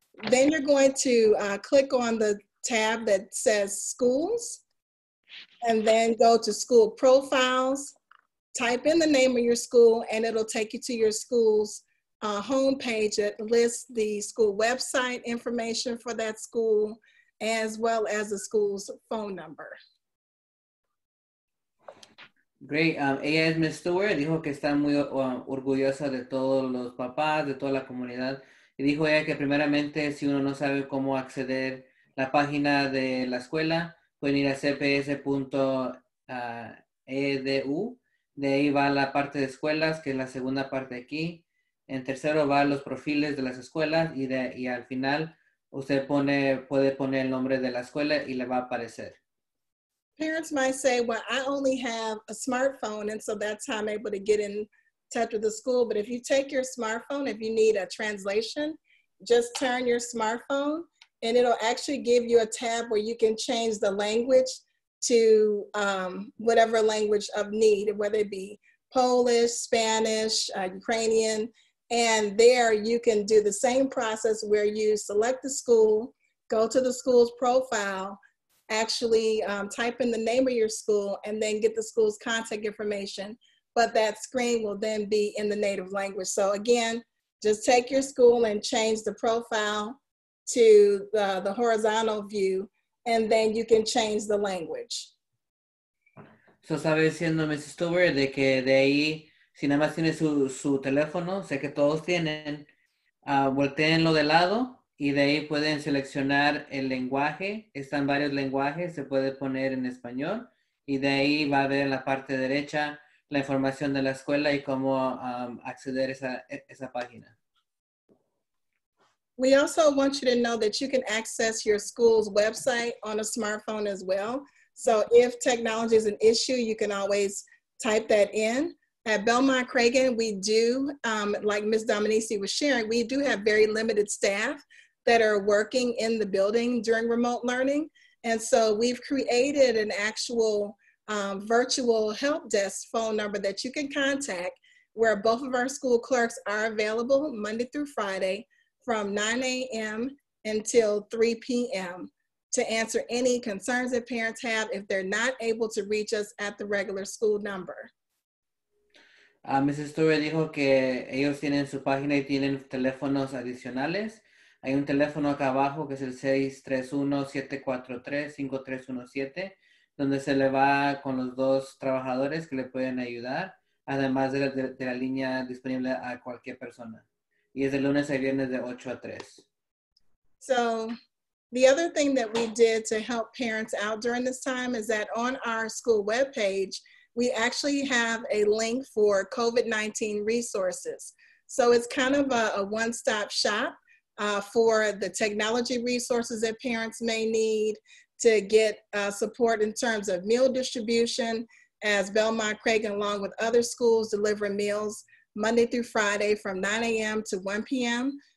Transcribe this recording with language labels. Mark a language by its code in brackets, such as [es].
[en] Then you're going to click on the tab that says schools, and then go to school profiles, type in the name of your school, and it'll take you to your school's homepage that lists the school website information for that school, as well as the school's phone number. [es] Great. Ella es Ms. Stewart. Dijo que está muy orgullosa de todos los papás, de toda la comunidad. Y dijo ella que primeramente, si uno no sabe cómo acceder la página de la escuela, pueden ir a cps.edu. De ahí va la parte de escuelas, que es la segunda parte aquí. En tercero va los profiles de las escuelas y al final usted pone, puede poner el nombre de la escuela y le va a aparecer. [en] Parents might say, well, I only have a smartphone, and so that's how I'm able to get in touch with the school. But if you take your smartphone, if you need a translation, just turn your smartphone, and it'll actually give you a tab where you can change the language to whatever language of need, whether it be Polish, Spanish, Ukrainian. And there you can do the same process where you select the school, go to the school's profile, actually type in the name of your school, and then get the school's contact information. But that screen will then be in the native language. So again, just take your school and change the profile to the horizontal view, and then you can change the language. [es] So sabe diciendo Mrs. Stewart de que de ahí, si nada más tiene su, su teléfono, sé que todos tienen, volteenlo de lado. Y de ahí pueden seleccionar el lenguaje, están varios lenguajes, se puede poner en español. Y de ahí va a ver en la parte derecha la información de la escuela y cómo acceder a esa, esa página. [en] We also want you to know that you can access your school's website on a smartphone as well. So if technology is an issue, you can always type that in. At Belmont Cragen, we do, like Ms. Dominici was sharing, we do have very limited staff that are working in the building during remote learning. And so we've created an actual virtual help desk phone number that you can contact, where both of our school clerks are available Monday through Friday from 9 a.m. until 3 p.m. to answer any concerns that parents have if they're not able to reach us at the regular school number. Mrs. [es] Stewart dijo que ellos tienen su página y tienen teléfonos adicionales. Hay un teléfono acá abajo que es el 631-743-5317, donde se le va con los dos trabajadores que le pueden ayudar, además de la línea disponible a cualquier persona. Y es de lunes a viernes de 8 a 3. [en] So, the other thing that we did to help parents out during this time is that on our school webpage, we actually have a link for COVID-19 resources. So it's kind of a one-stop shop for the technology resources that parents may need to get support in terms of meal distribution, as Belmont Cragen, along with other schools, deliver meals Monday through Friday from 9 a.m. to 1 p.m.